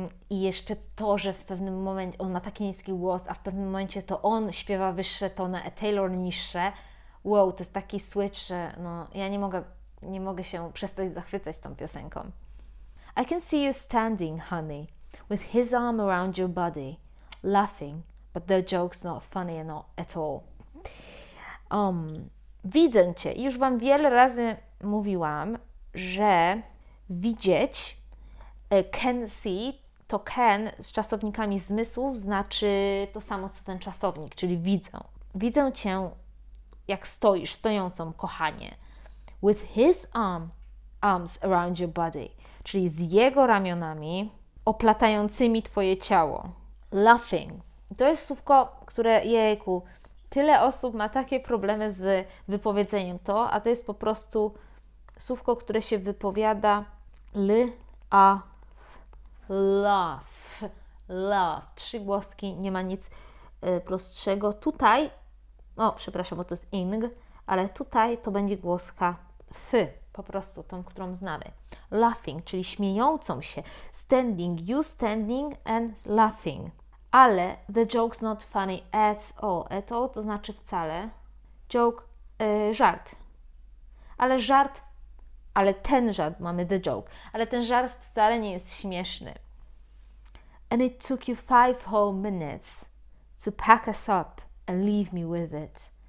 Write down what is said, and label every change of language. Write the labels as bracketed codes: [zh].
[pl] I jeszcze to, że w pewnym momencie on ma taki niski głos, a w pewnym momencie to on śpiewa wyższe tony, a Taylor niższe. Wow, to jest taki switch, że no, ja nie mogę się przestać zachwycać tą piosenką. [en] I can see you standing, honey, with his arm around your body, laughing, but the joke's not funny at all. [pl] Widzę cię. Już Wam wiele razy mówiłam, że widzieć, can see, to can z czasownikami zmysłów znaczy to samo, co ten czasownik, czyli widzę. Widzę cię, jak stoisz, stojącą, kochanie. [en] With his arms around your body, [pl] czyli z jego ramionami oplatającymi twoje ciało. [en] Laughing. [pl] To jest słówko, które, jejku, tyle osób ma takie problemy z wypowiedzeniem to, a to jest po prostu słówko, które się wypowiada l, a, f, love, love. Trzy głoski, nie ma nic prostszego. Tutaj, o przepraszam, bo to jest ing, ale tutaj to będzie głoska f, po prostu tą, którą znamy. Laughing, czyli śmiejącą się. [en] Standing, you standing and laughing. Ale the joke's not funny at all. At all [pl] to znaczy wcale. Joke, żart. Ale żart. Ale ten żart, mamy the joke, ale ten żart wcale nie jest śmieszny. [en] And it took you 5 whole minutes to pack us up and leave me with it.